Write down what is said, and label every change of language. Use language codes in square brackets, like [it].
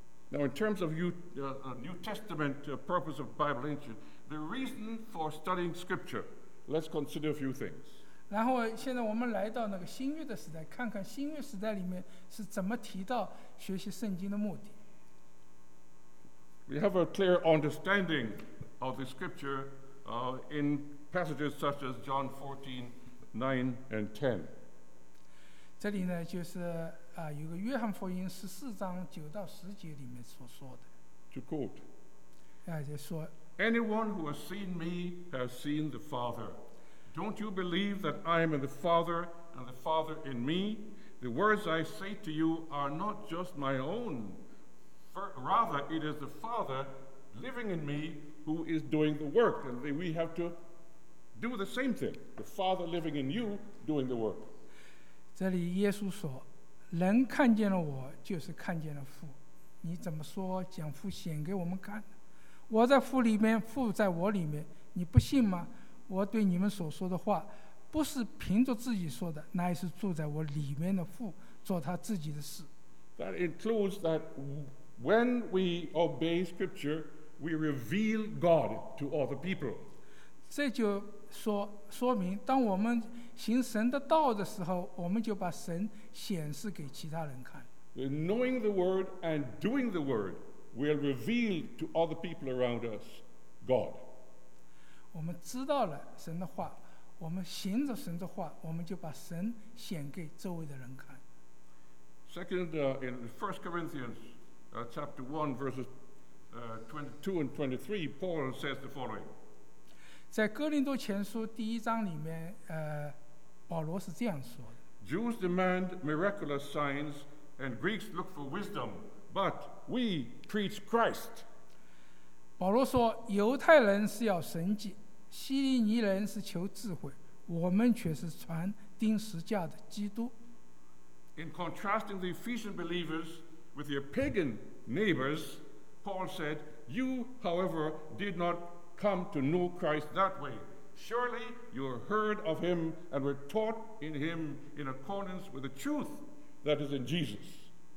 [en] Now in terms of New Testament purpose of Bible ancient, the reason for studying scripture,Let's consider a few things. [zh] 然后现在我们来到那个新约的时代，看看新约时代里面是怎么提到学习圣经的目的。 [en] We have a clear understanding of the scripture in passages such as John 14, 9 and 10. [zh] 这里呢就是有个约翰福音十四章九到十节里面所说的。 [en] To quote. [zh] 就说。 [en] Anyone who has seen me has seen the Father. Don't you believe that I am in the Father and the Father in me? The words I say to you are not just my own. Rather, it is the Father living in me who is doing the work. And we have to do the same thing. The Father living in you doing the work. [zh] 这里耶稣说，人看见了我就是看见了父。你怎么说将父显给我们看？我在父里面，父在我里面，你不信吗？我对你们所说的话，不是凭着自己说的，乃是住在我里面的父做他自己的事。 [en] That includes that when we obey Scripture, we reveal God to other people. [zh] 这就说明，当我们行神的道的时候，我们就把神显示给其他人看。 [en] Knowing the Word and doing the Word. Will reveal to other people around us God. [zh] 我们知道了神的话，我们行着神的话，我们就把神显给周围的人看。 [en] Second, in 1 Corinthians chapter 1, verses 22 and 23, Paul says the following. [zh] 在哥林多前书第一章里面，保罗是这样说的。 [en] Jews demand miraculous signs, and Greeks look for wisdom, but we preach Christ. [zh] 保罗说，犹太人是要神迹，希利尼人是求智慧，我们却是传钉十架的基督。 [en] In contrasting the Ephesian believers with their pagan neighbors, Paul said, "You, however, did not come to know Christ that way. Surely you heard of him and were taught in him in accordance with the truth that is in Jesus."